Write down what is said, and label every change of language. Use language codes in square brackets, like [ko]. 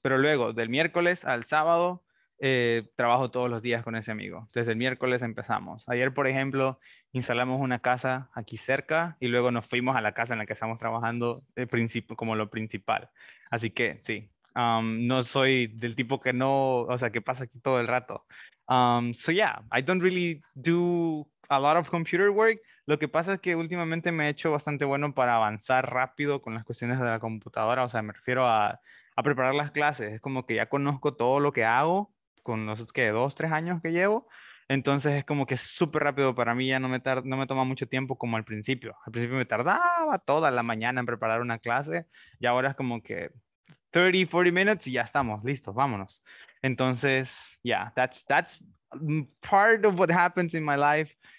[es] Pero luego, del miércoles al sábado, trabajo todos los días con ese amigo. Desde el miércoles empezamos. Ayer, por ejemplo, instalamos una casa aquí cerca y luego nos fuimos a la casa en la que estamos trabajando como lo principal. Así que, sí, no soy del tipo que no, o sea, que pasa aquí todo el rato. [en] So yeah, I don't really do a lot of computer work. [es] Lo que pasa es que últimamente me he hecho bastante bueno para avanzar rápido con las cuestiones de la computadora. O sea, me refiero a preparar las clases. Es como que ya conozco todo lo que hago con los que 2-3 años que llevo, entonces es como que es súper rápido para mí, ya no me toma mucho tiempo como al principio. Al principio me tardaba toda la mañana en preparar una clase y ahora es como que 30, 40 minutes y ya estamos listos, vámonos. [en] Entonces, yeah, that's part of what happens in my life.